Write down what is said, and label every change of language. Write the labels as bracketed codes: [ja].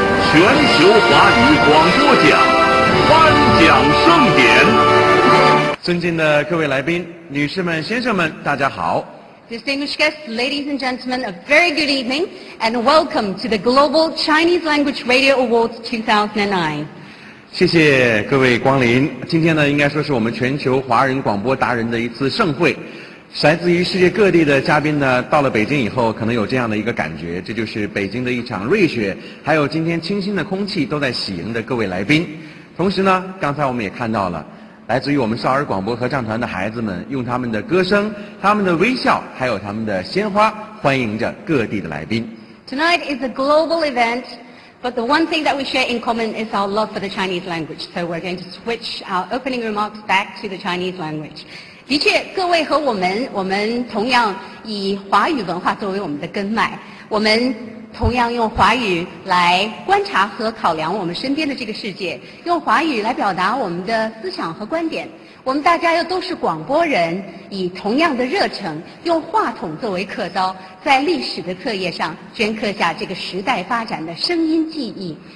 [zh] 全球华语广播奖颁奖盛典。尊敬的各位来宾，女士们、先生们，大家好。 [en] Distinguished guests, ladies and gentlemen, a very good evening and welcome to the Global Chinese Language Radio Awards 2009. [zh] 谢谢各位光临。今天呢，应该说是我们全球华人广播达人的一次盛会。来自于世界各地的嘉宾呢，到了北京以后，可能有这样的一个感觉，这就是北京的一场瑞雪，还有今天清新的空气都在喜迎的各位来宾。同时呢，刚才我们也看到了来自于我们少儿广播合唱团的孩子们，用他们的歌声、他们的微笑，还有他们的鲜花，欢迎着各地的来宾。 [en] Tonight is a global event, but the one thing that we share in common is our love for the Chinese language. So we're going to switch our opening remarks back to the Chinese language. [zh] 的确，各位和我们同样以华语文化作为我们的根脉，我们同样用华语来观察和考量我们身边的这个世界，用华语来表达我们的思想和观点。我们大家又都是广播人，以同样的热忱，用话筒作为刻刀，在历史的册页上镌刻下这个时代发展的声音记忆。